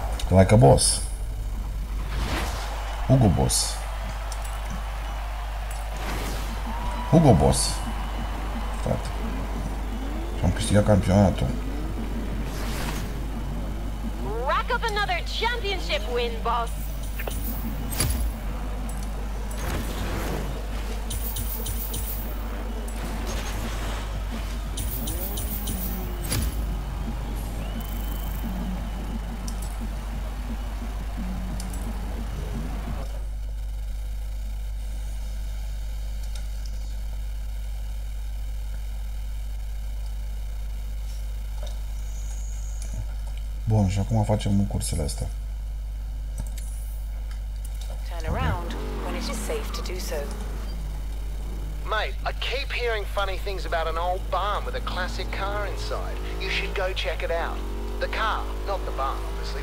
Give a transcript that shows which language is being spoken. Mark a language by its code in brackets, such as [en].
[en] Like a boss. Hugo Boss. [ro] Hugo Boss. Frate. Am câștigat campionatul. [en] Rack up another championship win, boss. [ro] Bun, și acum facem cursele astea. [en] Turn around when it is safe to do so. Mate, I keep hearing funny things about an old barn with a classic car inside. You should go check it out. The car, not the barn, obviously.